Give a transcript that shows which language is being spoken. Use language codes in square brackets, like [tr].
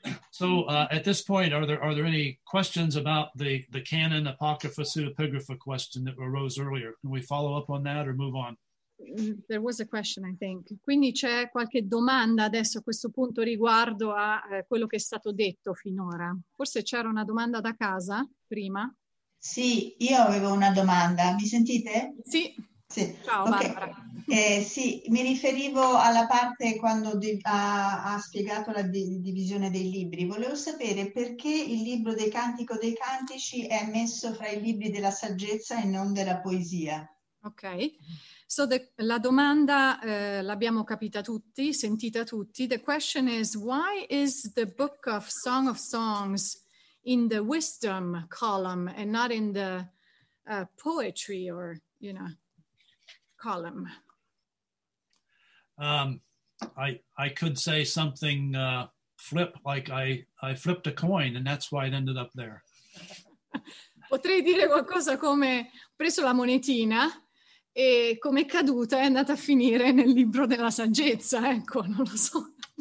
[en] So at this point, are there any questions about the canon Apocrypha Pseudepigrapha question that arose earlier? Can we follow up on that or move on? There was a question, I think. [it] Quindi c'è qualche domanda adesso a questo punto riguardo a quello che è stato detto finora. Forse c'era una domanda da casa prima. Sì, io avevo una domanda. Mi sentite? Sì. Sì. Ciao, okay. Barbara. Sì, mi riferivo alla parte quando ha spiegato la divisione dei libri. Volevo sapere perché il libro del Cantico dei Cantici è messo fra i libri della saggezza e non della poesia. Ok. So la domanda l'abbiamo capita tutti, sentita tutti. [en] The question is, why is the book of Song of Songs in the wisdom column and not in the poetry or, you know, column? I could say something flip, like I flipped a coin and that's why it ended up there. [it] Potrei dire qualcosa come ho preso la monetina. E come è caduta è andata a finire nel libro della saggezza, ecco, non lo so.